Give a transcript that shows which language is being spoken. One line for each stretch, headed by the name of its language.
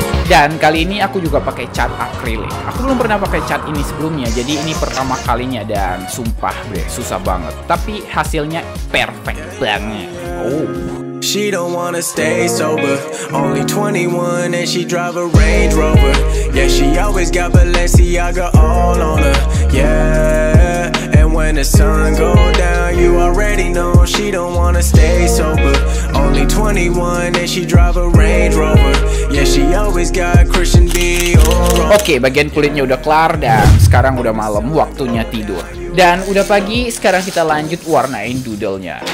Indonesian: Dan kali ini aku juga pakai cat akrilik. Aku belum pernah pakai cat ini sebelumnya, jadi ini pertama kalinya dan sumpah, bre, susah banget. Tapi hasilnya perfect banget. Oh.
English: She don't wanna stay sober. Only 21 and she drive a Range Rover. Yeah, she always got Balenciaga all on her. Yeah. And when the sun go down, you already know she don't wanna stay sober. Only 21 and she drive a Range Rover. Yeah, she always got Christian Dior.
Indonesian: Okay, bagian kulitnya udah kelar dan sekarang udah malam, waktunya tidur. Dan udah pagi, sekarang kita lanjut warnain doodle-nya.